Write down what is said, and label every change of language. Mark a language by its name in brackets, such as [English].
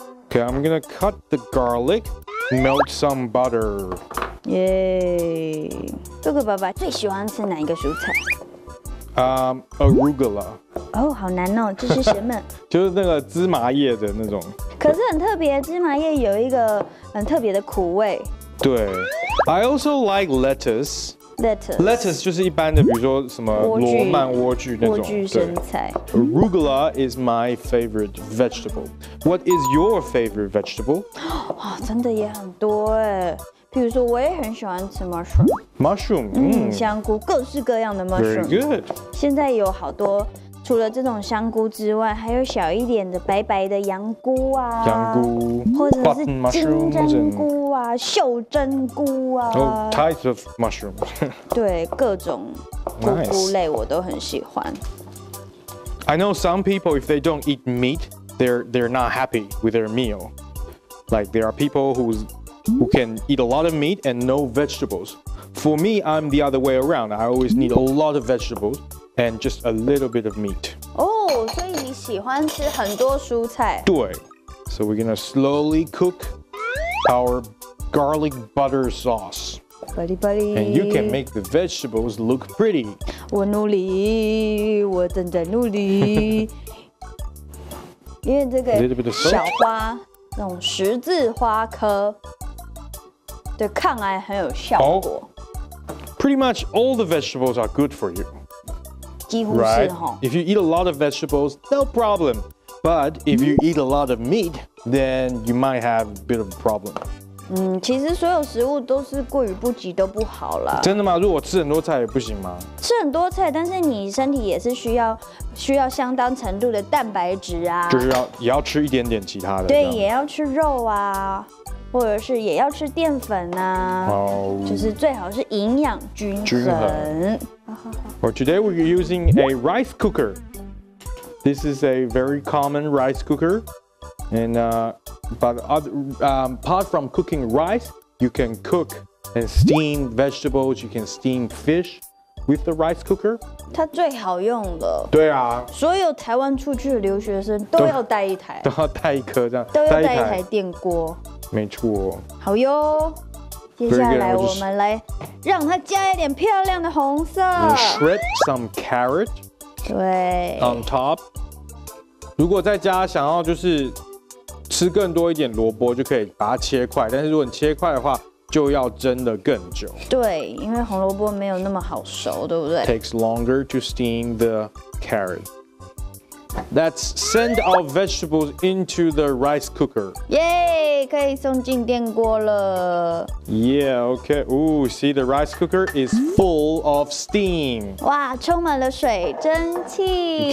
[English] Okay, I'm gonna cut the garlic Melt some butter [Chinese] Yay 哥哥爸爸最喜欢吃哪一个蔬菜 [English] Arugula [Chinese] 哦、好难哦这是什么就是那个芝麻叶的那种可是很特别芝麻叶有一个很特别的苦味 [English] 对 I also like lettuce Lettuce [Chinese] Lettuce 就是一般的比如说什么罗曼莴苣那种莴苣生菜 [English] Arugula is my favorite vegetable What is your favorite vegetable?、 [Chinese] 真的也很多耶比如说我也很喜欢吃 mushroom [English] Mushroom [Chinese] 香菇各式各样的 mushroom [English] Very good [Chinese] 现在有好多除了这种香菇之外，还有小一点的白白的羊菇啊，羊菇，或者是金针菇啊，袖珍菇啊 [English] ，types of mushrooms， [Chinese] 对，各种菇类我都很喜欢。 [English] I know some people if they don't eat meat, they're not happy with their meal. Like there are people who can eat a lot of meat and no vegetables. For me, I'm the other way around. I always need a lot of vegetables. And just a little bit of meat. Oh, so you like to eat a lot of vegetables. 对 So we're gonna slowly cook our garlic butter sauce. Buddy, buddy. And you can make the vegetables look pretty. [Chinese] 我努力，我正在努力。因为这个小花，那种十字花科的抗癌很有效果。 [English] Pretty much all the vegetables are good for you. Right. If you eat a lot of vegetables, no problem. But if you eat a lot of meat, then you might have a bit of a problem. [Chinese] 其实所有食物都是过于不及都不好了。真的吗？如果吃很多菜也不行吗？吃很多菜，但是你身体也是需要相当程度的蛋白质啊。就是也要吃一点点其他的。对，也要吃肉啊，或者是也要吃淀粉啊。就是最好是营养均衡。 [English] Well, today we're using a rice cooker. This is a very common rice cooker. And, apart from cooking rice, you can cook and steam vegetables, you can steam fish with the rice cooker. [Chinese] 它最好用的。对啊。所有台湾出去的留学生都要带一台。都要带一颗这样。都要带一台电锅。没错。好哟。接下来我们来让它加一点漂亮的红色。 [English] Shred some carrot. [Chinese] 对。 [English] On top. [Chinese] 如果在家想要就是吃更多一点萝卜，就可以把它切块。但是如果你切块的话，就要蒸的更久。对，因为红萝卜没有那么好熟，对不对 [English] ？Takes longer to steam the carrot. Let's send our vegetables into the rice cooker. [Chinese] Yay! 可以送进电锅了。 [English] Yeah, okay. Ooh, see the rice cooker is full of steam. [Chinese] 哇，充满了水蒸气。